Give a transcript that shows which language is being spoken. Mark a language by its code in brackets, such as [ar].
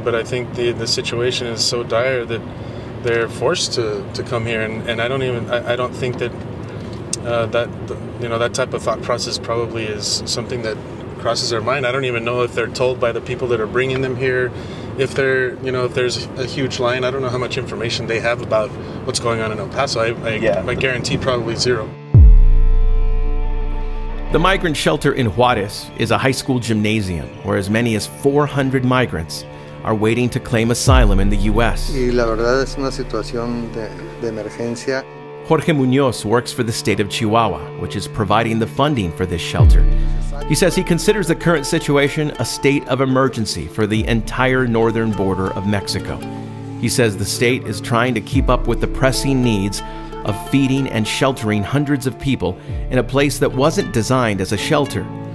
[en] But I think the situation is so dire that they're forced to come here, and I don't think that type of thought process probably is something that crosses their mind. I don't even know if they're told by the people that are bringing them here, if there's a huge line. I don't know how much information they have about what's going on in El Paso. I guarantee probably zero. The migrant shelter in Juarez is a high school gymnasium where as many as 400 migrants are waiting to claim asylum in the U.S. [es] Y la verdad es una situación de emergencia. [en] Jorge Muñoz works for the state of Chihuahua, which is providing the funding for this shelter. He says he considers the current situation a state of emergency for the entire northern border of Mexico. He says the state is trying to keep up with the pressing needs of feeding and sheltering hundreds of people in a place that wasn't designed as a shelter.